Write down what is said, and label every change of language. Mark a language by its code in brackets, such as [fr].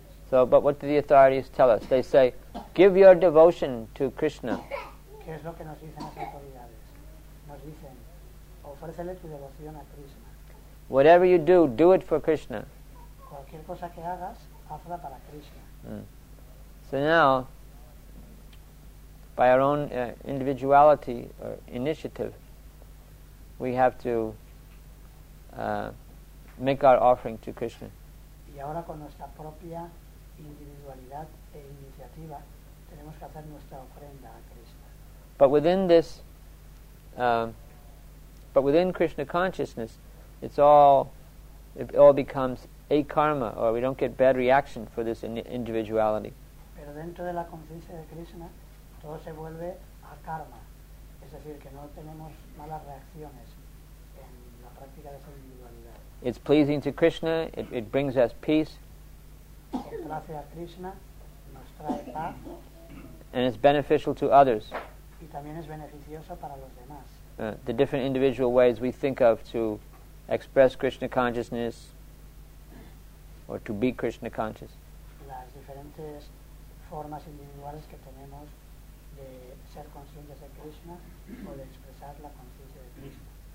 [en] So, but what do the authorities tell us? They say, give your devotion to Krishna. [es] ¿Qué es lo que nos dicen las autoridades? Nos dicen, ofrécele tu devoción a Krishna. [en] Whatever you do, do it for Krishna. [es] Cualquier cosa que hagas, hazla para Krishna. [en] So now, by our own individuality or initiative, we have to make our offering to Krishna. [es] Y ahora con nuestra propia individualidad e iniciativa, tenemos que hacer nuestra ofrenda a Krishna. [en] But within this, but within Krishna consciousness, it all becomes a karma, or we don't get bad reaction for this individuality. [es] Pero dentro de la conciencia de Krishna, todo se vuelve a karma, es decir, que no tenemos malas reacciones en la práctica de esa individualidad. [en] It's pleasing to Krishna. It brings us peace. [es] Gracias a Krishna, nos trae paz. [en] And it's beneficial to others. [es] Y también es beneficioso para los demás. [en] the different individual ways we think of to express Krishna consciousness or to be Krishna conscious. [es] Las diferentes formas individuales que tenemos de ser conscientes de Krishna o de expresar la conciencia de Krishna.